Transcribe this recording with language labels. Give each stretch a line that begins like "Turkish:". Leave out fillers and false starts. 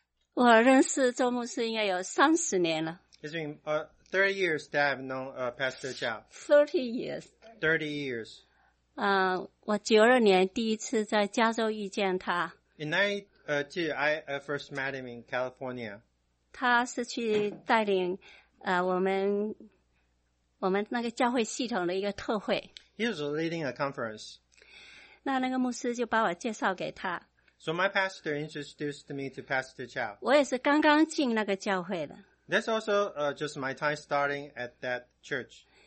Chinese: 下一位上来分享的是郭牧师。我认识周牧师应该有30年了。
English: It's been 30 years that I've known Pastor Zhao. 30 years.
Chinese: 我92年第一次在加州遇见他。In
English: 92, I first met him in California.
Chinese: 他是去带领我们那个教会系统的一个特会。
English: He was leading a conference.
Chinese: 那个牧师就把我介绍给他。So
English: my pastor introduced me to Pastor Chow.
Chinese: 我也是刚刚进那个教会的。That's
English: also just my time starting at that church.